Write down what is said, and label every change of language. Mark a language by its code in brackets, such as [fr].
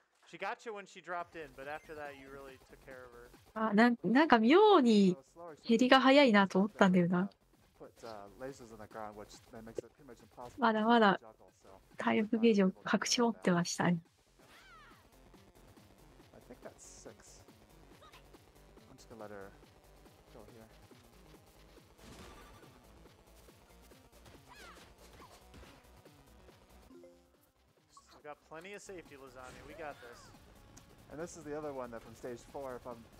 [en] She got you when she dropped in, but after that, you really took care of her. [ja] なんか妙に減りが早いなと思ったんだよな。 [en] put lasers on the ground, which then makes it pretty much impossible. [ja] まだまだ体力ゲージを隠し持ってましたね。 [en] I think that's six. I'm just gonna let her go here. We got plenty of safety, Lasagna. We got this. And this is the other one that from stage four, if I'm.